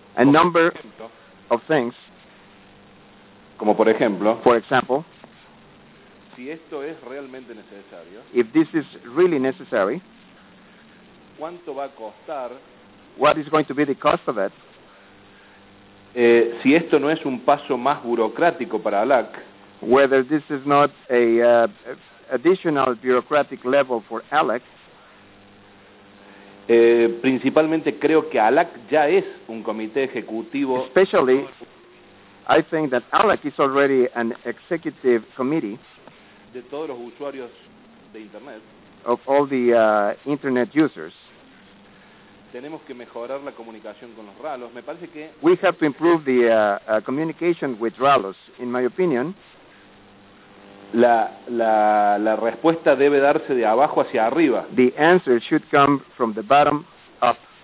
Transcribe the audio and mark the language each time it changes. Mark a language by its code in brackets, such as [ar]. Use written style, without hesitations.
[en] A number of things. [es] Como por ejemplo. [en] For example. [es] Si esto es realmente necesario. [en] If this is really necessary. [es] ¿Cuánto va a costar? [en] What is going to be the cost of it? [es] Si esto no es un paso más burocrático para ALAC. [en] Whether this is not a additional bureaucratic level for ALAC. [es] Principalmente creo que ALAC ya es un comité ejecutivo. [en] Especially, I think that ALAC is already an executive committee. [es] De todos los usuarios de Internet. [en] Of all the Internet users. [es] Tenemos que mejorar la comunicación con los RALOS. Me parece que... [en] We have to improve the communication with RALOS, in my opinion. [es] La respuesta debe darse de abajo hacia arriba. [en] The answer should come from the bottom up.